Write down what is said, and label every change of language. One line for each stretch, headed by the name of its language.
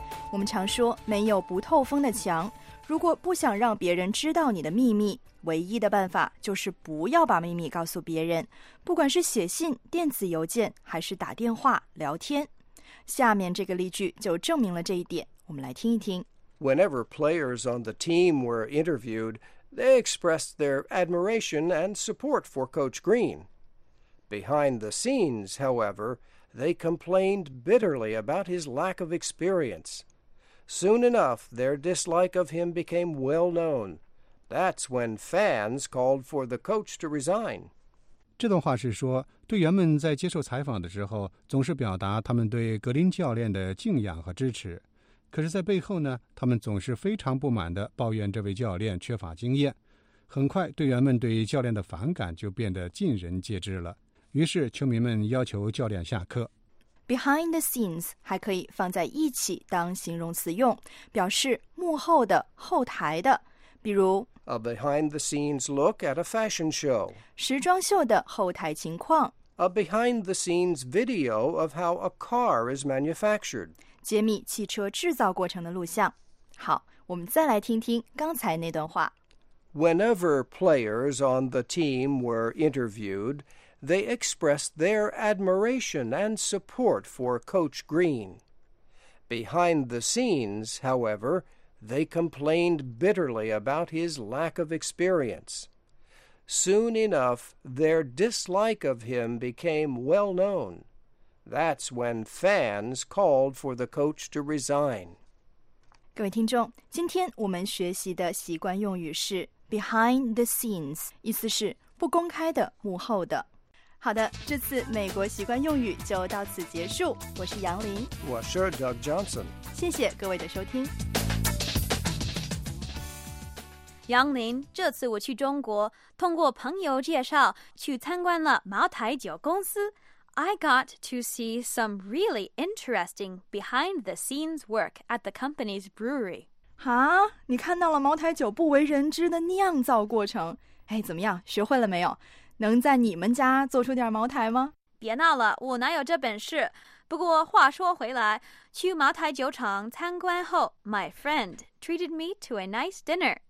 Chinese: 我们常说没有不透风的墙，如果不想让别人知道你的秘密，唯一的办法就是不要把秘密告诉别人，不管是写信、电子邮件还是打电话聊天。下面这个例句就证明了这一点，我们来听一听。
English: Whenever players on the team were interviewed, they expressed their admiration and support for Coach Green. Behind the scenes, however, they complained bitterly about his lack of experience. Soon enough, their dislike of him became well known. That's when fans called for the coach to resign.
Chinese: 这段话是说，队员们在接受采访的时候，总是表达他们对格林教练的敬仰和支持。可是在背后呢，他们总是非常不满地抱怨这位教练缺乏经验。很快，队员们对教练的反感就变得尽人皆知了。于是，球迷们要求教练下课。
English: Behind the scenes
Chinese: 还可以放在一起当形容词用，表示幕后的、后台的，比如
English: A behind the scenes look at a fashion show.
Chinese: 时装秀的后台情况。
English: A behind the scenes video of how a car is manufactured.
Chinese: 揭秘汽车制造过程的录像。好，我们再来听听刚才那段话。
English: Whenever players on the team were interviewed,They expressed their admiration and support for Coach Green. Behind the scenes, however, they complained bitterly about his lack of experience. Soon enough, their dislike of him became well known. That's when fans called for the coach to resign.
Chinese: 各位听众，今天我们学习的习惯用语是
English: behind the scenes,
Chinese: 意思是不公开的、幕后的。好的，这次美国习惯用语就到此结束。我是杨林，我是 Doug Johnson。谢谢各位的收听。杨林，这次我去中国，通过朋友介绍去参观了茅台酒公司。
English: I got to see some really interesting behind-the-scenes work at the company's brewery.
Chinese: 哈，你看到了茅台酒不为人知的酿造过程？哎，怎么样，学会了没有？能在你们家做出点茅台吗？别闹了，我哪有这本事。不过话说回来，去茅台酒厂参观后 ，
English: my friend treated me to a nice dinner。